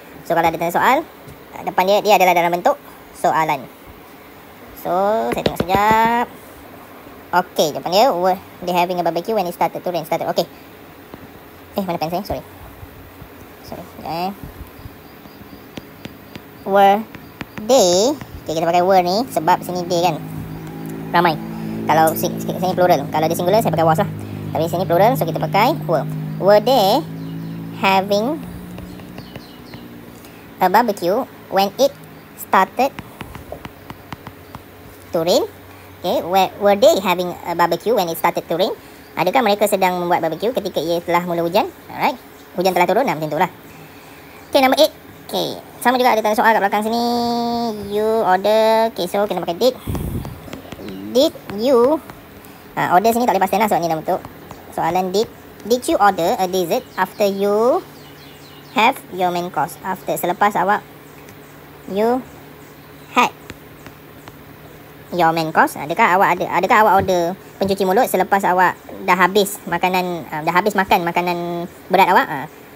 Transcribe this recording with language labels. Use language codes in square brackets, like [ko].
[ms] So, kalau ada tanda soal, depan dia, dia adalah dalam bentuk soalan. So, saya tengok sekejap. [en] Okay, [ms] jawapan dia, [en] they having a barbecue when it started to rain. [ms] Started, okay. Eh, mana pen saya? Sorry. Sorry, sekejap eh. [en] Were they, [ms] okay, kita pakai were ni sebab sini they kan ramai. Kalau sini plural, kalau dia singular, saya pakai was lah. Tapi sini plural, so kita pakai were. [en] Were they having a barbecue when it started to rain? Okay, were they having a barbecue when it started to rain? [ms] Adakah mereka sedang membuat barbecue ketika ia telah mula hujan? Alright, hujan telah turun, nah, macam itulah. Okay, [en] number 8. [ms] Okay, sama juga ada tanda soal kat belakang sini. You order. Okay, so kena pakai did. [en] Did you order [ms] sini tak boleh pastikan lah sebab ni dalam bentuk soalan. [en] Did you order a dessert after you have your main course? After, [ms] selepas awak, [en] you had your main course. [ms] Adakah awak order pencuci mulut selepas awak dah habis makanan, dah habis makan makanan berat awak?